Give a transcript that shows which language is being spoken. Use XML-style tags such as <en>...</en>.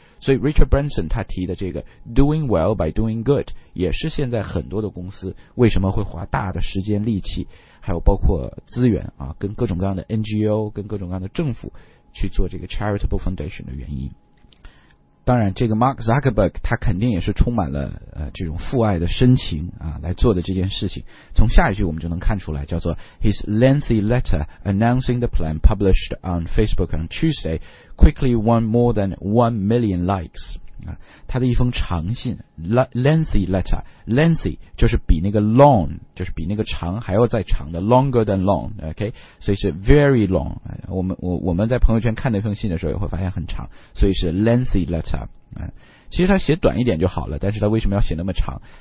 <zh>所以 Richard Branson 他提的这个 doing well by doing good 也是现在很多的公司为什么会花大的时间力气还有包括资源啊，跟各种各样的 NGO 跟各种各样的政府去做这个 charitable foundation 的原因。当然这个 Mark Zuckerberg 他肯定也是充满了这种父爱的深情啊来做的这件事情。</zh> <en>从下一句我们就能看出来，叫做 His lengthy letter announcing the plan published on Facebook on Tuesday quickly won more than 1 million likes.</en> <zh>啊，他的一封长信 lengthy letter, lengthy 就是比那个 long, 就是比那个长还要再长的 longer than long, OK? 所以是 very long, 我们在朋友圈看那封信的时候也会发现很长，所以是 lengthy letter, 其实他写短一点就好了，但是他为什么要写那么长？</zh>